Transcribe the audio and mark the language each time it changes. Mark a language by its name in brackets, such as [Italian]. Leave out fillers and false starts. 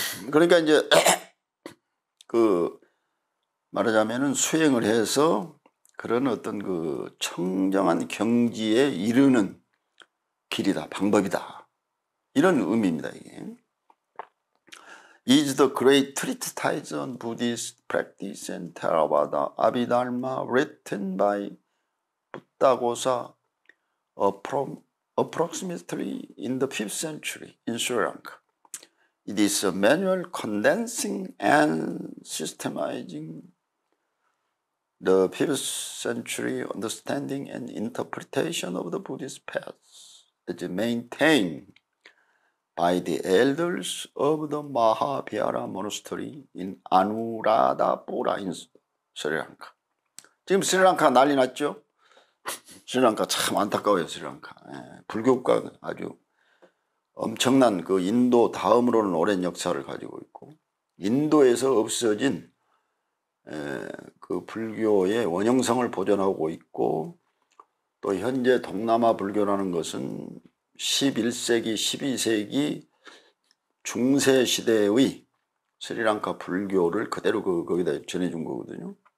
[Korean] 그러니까 이제 그 말하자면은 수행을 해서 그런 어떤 그 청정한 경지에 이르는 길이다, 방법이다. 이런 의미입니다, 이게. [English] Is the great treatise on Buddhist practice and Theravada Abhidharma written by Buddha Gosa approximately in the 5th century in Sri Lanka? It is a manual condensing and systemizing the 5th century understanding and interpretation of the Buddhist paths as maintained by the elders of the Mahavihara Monastery in Anuradhapura in Sri Lanka. [Korean] 지금 스리랑카 난리 났죠? 스리랑카 참 안타까워요, 스리랑카. 예, 불교국가 아주 엄청난 그 인도 다음으로는 오랜 역사를 가지고 있고, 인도에서 없어진 그 불교의 원형성을 보존하고 있고, 또 현재 동남아 불교라는 것은 11세기, 12세기 중세 시대의 스리랑카 불교를 그대로 거기다 전해준 거거든요.